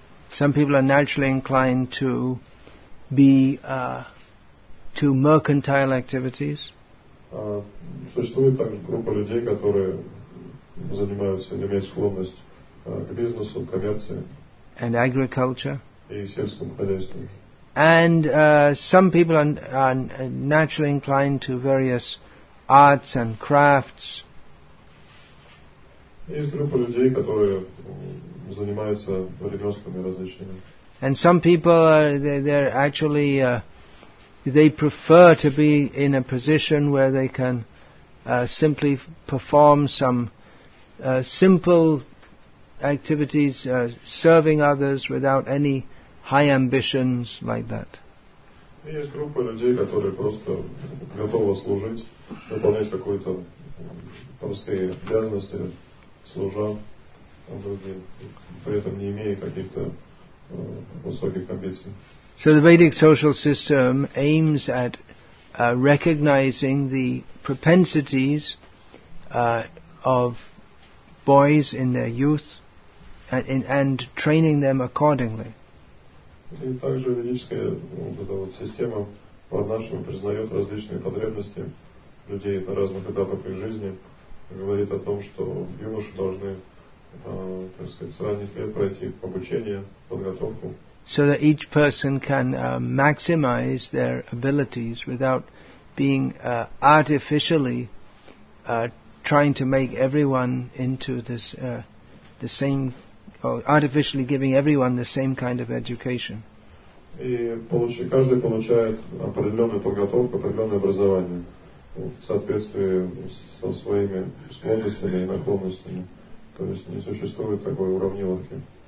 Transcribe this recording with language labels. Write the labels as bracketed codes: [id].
[en] Some people are naturally inclined to be to mercantile activities. [ru] Существует также группа людей, которые занимаются, имеют склонность к бизнесу, к коммерции. [en] And agriculture. [ru] И сельскому хозяйству. [en] And some people are naturally inclined to various arts and crafts. [ru] Есть группа людей, которые занимаются ремеслами различными. [en] And some people they're actually they prefer to be in a position where they can simply perform some simple activities, serving others without any high ambitions like that. [ru] Есть группа людей, которые просто готовы служить. Выполнять какие-то простые обязанности, служа другим, при этом не имея каких-то высоких амбиций. [en] So the Vedic social system aims at recognizing the propensities of boys in their youth and training them accordingly. [ru] И также ведическая вот эта вот система по-нашему признает различные потребности людей на разных этапах их жизни, говорит о том, что юноши должны, так сказать, с ранних лет пройти обучение, подготовку. [en] So that each person can maximize their abilities without being artificially trying to make everyone into this the same, or artificially giving everyone the same kind of education. [ru] И каждый получает определенную подготовку, определенное образование. В соответствии со своими склонностями и наклонностями. То есть не существует такой уравниловки.